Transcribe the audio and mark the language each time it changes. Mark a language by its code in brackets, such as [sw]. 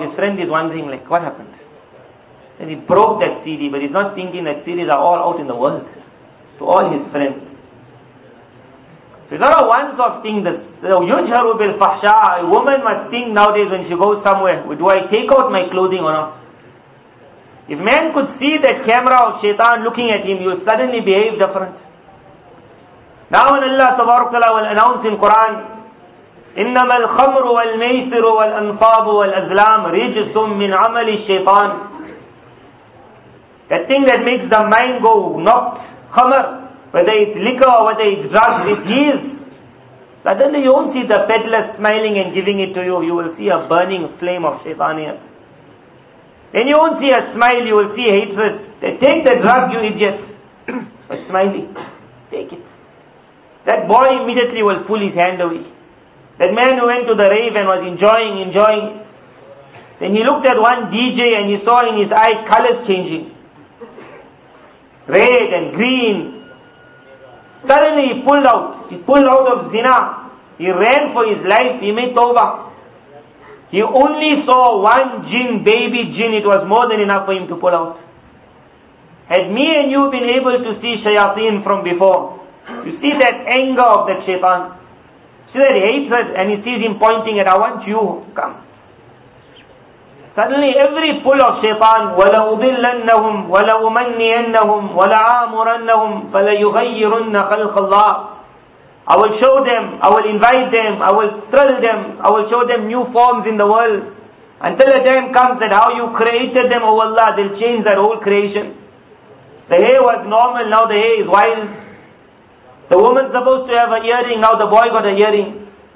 [en] His friend is wondering like, what happened? Then he broke that CD, but he's not thinking that CDs are all out in the world to all his friends. So it's not a once off thing. [ar] Yujharu bil fahsha. [en] A woman must think nowadays when she goes somewhere, do I take out my clothing or not? If man could see that camera of shaitan looking at him, he would suddenly behave different. Now when Allah Tabarakallah will announce in Quran, [ar] إنما الخمر والميسر والأنصاب والأزلام رجس من عمل الشيطان. [en] The thing that makes the mind go not khamr, whether it's liquor or whether it's drugs, it is. Suddenly you won't see the peddler smiling and giving it to you. You will see a burning flame of shaitan here. Then you won't see a smile, you will see hatred. They take the drug, you idiot. A smiley. Take it. That boy immediately will pull his hand away. That man who went to the rave and was enjoying. Then he looked at one DJ and he saw in his eyes colors changing. Red and green. Suddenly he pulled out. He pulled out of zina. He ran for his life. He made tawbah. He only saw one jinn, baby jinn. It was more than enough for him to pull out. Had me and you been able to see shayateen from before, you see that anger of that shaitan. See that hatred, and he sees him pointing at, I want you, come. Suddenly every pull of shaitan, [ar] وَلَأُضِلَّنَّهُمْ وَلَأُمَنِّيَنَّهُمْ وَلَأَمُرَنَّهُمْ فَلَيُغَيِّرُنَّ خَلْقَ اللَّهِ. [en] I will show them, I will invite them, I will thrill them, I will show them new forms in the world. Until the time comes that how you created them, oh Allah, they'll change that whole creation. The hair was normal, now the hair is wild. The woman's supposed to have an earring, now the boy got an earring.